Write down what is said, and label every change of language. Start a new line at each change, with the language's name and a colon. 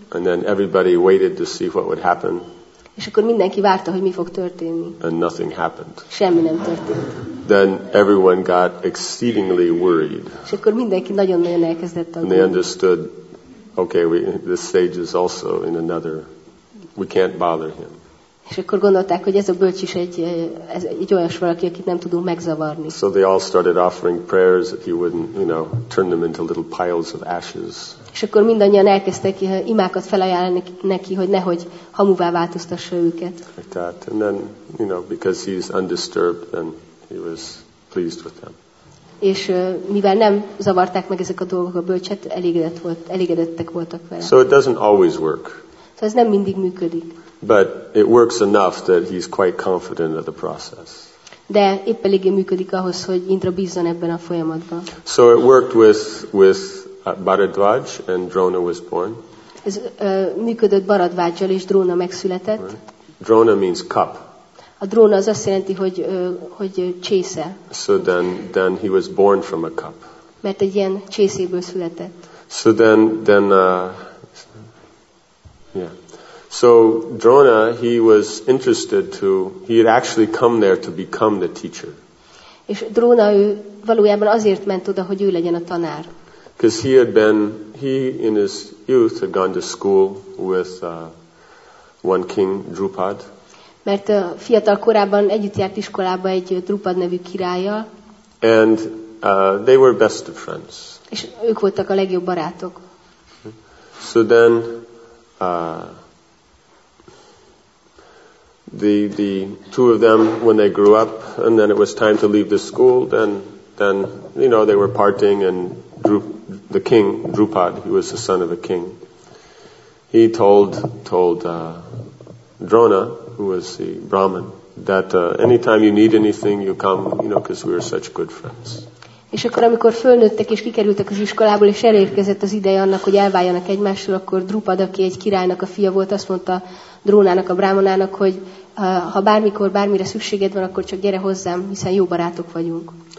English: And then everybody waited to see what would happen.
Hungarian: És akkor mindenki várta, hogy mi fog történni.
English: And nothing happened.
Hungarian: Semmi nem történt.
English: Then everyone got exceedingly worried.
Hungarian: És akkor mindenki nagyon-nagyon elkezdett aggódni.
English: They understood, okay, this sage is also in another. We can't bother him.
Hungarian: És akkor gondolták, hogy ez a bölcs is egy olyas valaki, akit nem tudunk megzavarni.
English: So they all started offering prayers that he wouldn't, you know, turn them into little piles of ashes.
Hungarian: És akkor mindannyian elkezdtek imákat felajánlani neki, hogy nehogy hamuvá változtassa őket.
English: Like that. And then, you know, because he's undisturbed, then he was pleased with them.
Hungarian: És mivel nem zavarták meg ezek a dolgok a bölcset, elégedettek voltak vele.
English: So it doesn't always work.
Hungarian: Szóval ez nem mindig működik.
English: But it works enough that he's quite confident of the process.
Hungarian: De épp eléggé működik ahhoz, hogy Indra bízzon ebben a folyamatban.
English: So it worked with Bharadvaj, and Drona was born.
Hungarian: Ez működött Bharadvajjal, és Drona megszületett.
English: Right. Drona means cup.
Hungarian: A Drona az azt jelenti, hogy csésze.
English: So then he was born from a cup.
Hungarian: Mert egy ilyen csészéből született.
English: So then. So Drona, he was interested to. He had actually come there to become the teacher.
Hungarian: És Drona ő valójában azért ment oda, hogy ő legyen a tanár.
English: Because he in his youth had gone to school with one king, Drupad.
Hungarian: Mert a fiatal korában együtt járt iskolába egy Drupad nevű királlyal.
English: And they were best of friends.
Hungarian: És ők voltak a legjobb barátok.
English: So then the two of them, when they grew up, and then it was time to leave the school, then you know, they were parting, and the king Drupad, he was the son of a king, he told Drona, who was the Brahmin, that anytime you need anything, you come, you know, because we are such good friends.
Hungarian: És akkor, amikor fölnőttek és kikerültek az iskolából, és elérkezett az ideje annak, hogy elváljanak egymásról, akkor Drupad, aki egy királynak a fia volt, azt mondta Drónának, a Brahmanának, hogy ha bármikor, bármire szükséged van, akkor csak gyere hozzám, hiszen jó barátok vagyunk.